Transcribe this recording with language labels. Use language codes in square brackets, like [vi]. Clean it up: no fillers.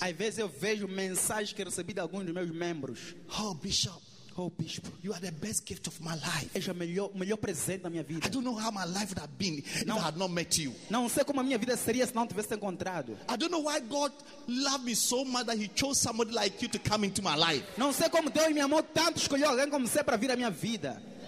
[pt] Às vezes eu vejo mensagens que recebi de alguns dos meus membros. [en] Oh, Bishop. Oh, Bishop. You are the best gift of my life. [pt] És o melhor presente da minha vida. [en] I don't know how my life would have been if I had not met you. [pt] Não sei como a minha vida seria se não tivesse encontrado. [en] I don't know why God loved me so much that He chose somebody like you to come into my life. [pt] Não sei como Deus me amou tanto, escolheu alguém como você para vir à minha vida.